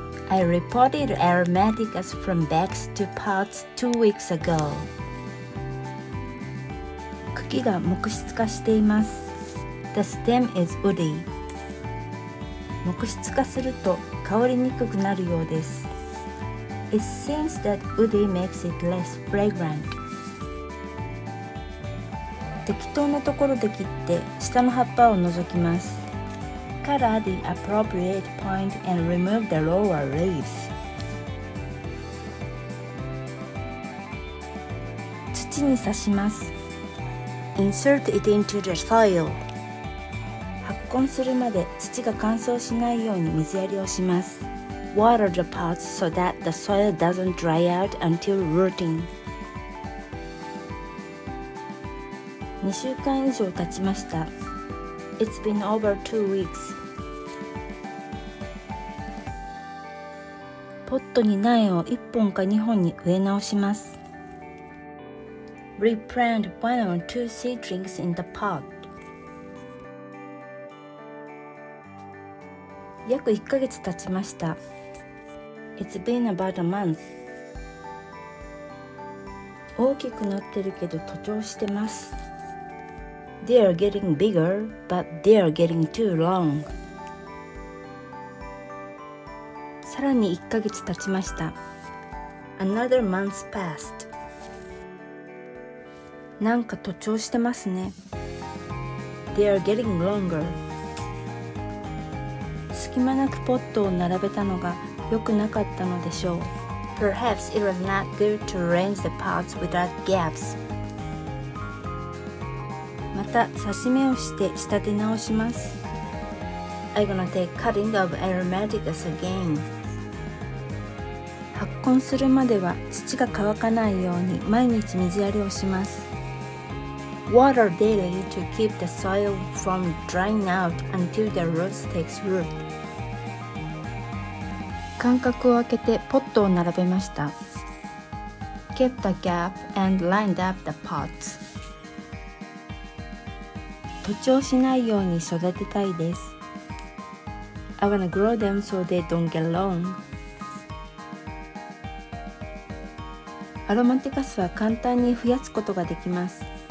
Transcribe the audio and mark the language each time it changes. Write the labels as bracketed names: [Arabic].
[English] I repotted aromaticas from bags to pots 2 weeks ago。 [Japanese] 茎が木質化しています。 [English] The stem is woody。 [Japanese] 木質化すると香りにくくなるようです。 [English] It seems that woody makes it less fragrant。 [Japanese] 適当なところで切って下の葉っぱを除きます。 [English] Cut at the appropriate point and remove the lower leaves。 [Japanese] 土に刺します。 [English] Insert it into the soil。 [Japanese] 発根するまで土が乾燥しないように水やりをします。 [English] Water the pots so that the soil doesn't dry out until rooting。 [Japanese] 2週間以上経ちました。 [English] It's been over 2 weeks。 [Japanese] ポットに苗を1本か2本に植え直します。 [English] Replant one or two seedlings in the pot。 [Japanese] 約1ヶ月経ちました。 [English] It's been about a month。 [Japanese] 大きくなってるけど徒長してます。 [English] They are getting bigger but they are getting too long。 [Japanese] さらに1ヶ月経ちました。 [English] Another month passed。 [Japanese] なんか徒長してますね。 [English] They are getting longer。 [Japanese] 隙間なくポットを並べたのが良くなかったのでしょう。 [English] Perhaps it was not good to arrange the pots without gaps。 [Japanese] また刺し目をして仕立て直します。 [English] I'm gonna take cutting of aromaticas again。 [Japanese] 発根するまでは土が乾かないように毎日水やりをします。 [English] Water daily to keep the soil from drying out until the roots takes root。 [Japanese] 間隔を空けてポットを並べました。 [English] Kept the gap and lined up the pots。 [Japanese] 徒長しないように育てたいです。 [English] I wanna grow them so they don't get long。 [Japanese] アロマティカスは簡単に増やすことができます。